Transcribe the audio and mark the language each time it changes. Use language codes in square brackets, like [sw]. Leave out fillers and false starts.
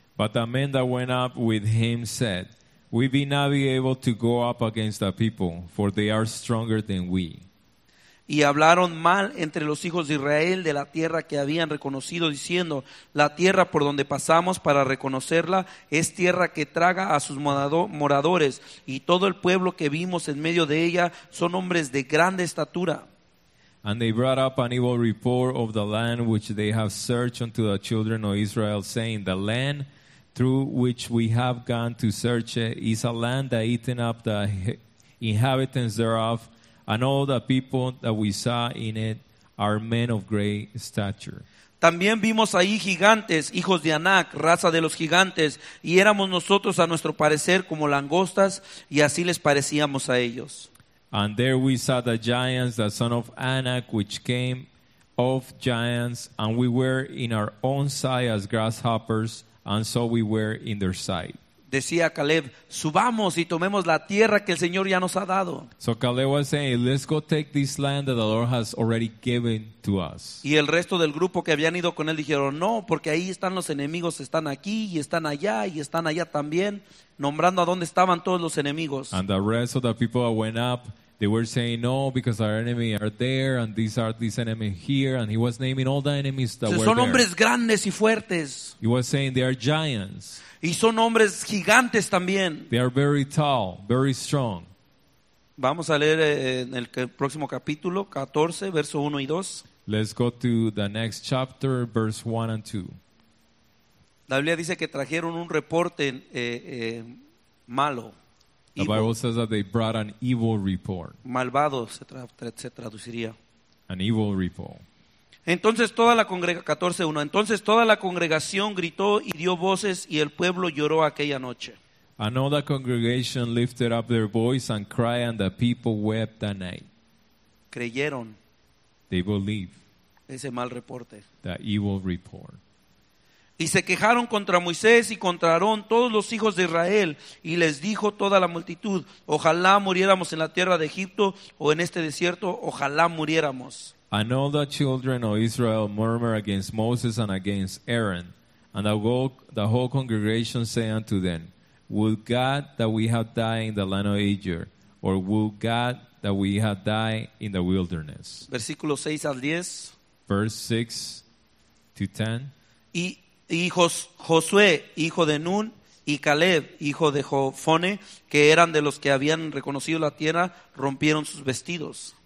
[en] But the men that went up with him said, We be not be able to go up against the people, for they are stronger than we. [es] Y hablaron mal entre los hijos de Israel de la tierra que habían reconocido, diciendo, La tierra por donde pasamos para reconocerla es tierra que traga a sus moradores, y todo el pueblo que vimos en medio de ella son hombres de grande estatura. [en] And they brought up an evil report of the land which they have searched unto the children of Israel, saying, The land through which we have gone to search it is a land that eaten up the inhabitants thereof, and all the people that we saw in it are men of great stature. [es] También vimos ahí gigantes, hijos de Anak, raza de los gigantes, y éramos nosotros a nuestro parecer como langostas, y así les parecíamos a ellos. [en] And there we saw the giants, the son of Anak, which came of giants, and we were in our own sight as grasshoppers, and so we were in their sight. [es] Decía Caleb, subamos y tomemos la tierra que el Señor ya nos ha dado. [en] So Caleb was saying, let's go take this land that the Lord has already given to us. [es] Y el resto del grupo que habían ido con él dijeron, no, porque ahí están los enemigos, están aquí y están allá también, nombrando a dónde estaban todos los enemigos. [en] And the rest of the people that went up, they were saying, no, because our enemy are there, and these are these enemies here, and he was naming all the enemies that were there. [es] Son hombres grandes y fuertes. [en] He was saying, they are giants. [es] Y son hombres gigantes también. [en] They are very tall, very strong. [es] Vamos a leer en el próximo capítulo, 14, verso 1 y 2. [en] Let's go to the next chapter, verse 1 and 2. [es] La Biblia dice que trajeron un reporte malo. [en] The Bible says that they brought an evil report. [es] Malvado se traduciría. [en] An evil report. [es] Entonces toda la congregación, 14:1, entonces toda la congregación gritó y dio voces y el pueblo lloró aquella noche. [en] And all the congregation lifted up their voice and cried and the people wept that night. [es] Creyeron. [en] They believed. [es] Ese mal reporte. [en] That evil report. [es] Y se quejaron contra Moisés y contra Aarón todos los hijos de Israel y les dijo toda la multitud, ojalá muriéramos en la tierra de Egipto o en este desierto, ojalá muriéramos. [en] And all the children of Israel murmur against Moses and against Aaron. And the whole congregation say unto them, Would God that we had died in the land of Egypt, or would God that we had died in the wilderness. [es] Versículo 6 al 10. [en] Verse 6 to 10. [es] Y hijos Josué, hijo de Nun, y Caleb, hijo de Jofone, que eran de los que habían reconocido la tierra, rompieron sus vestidos.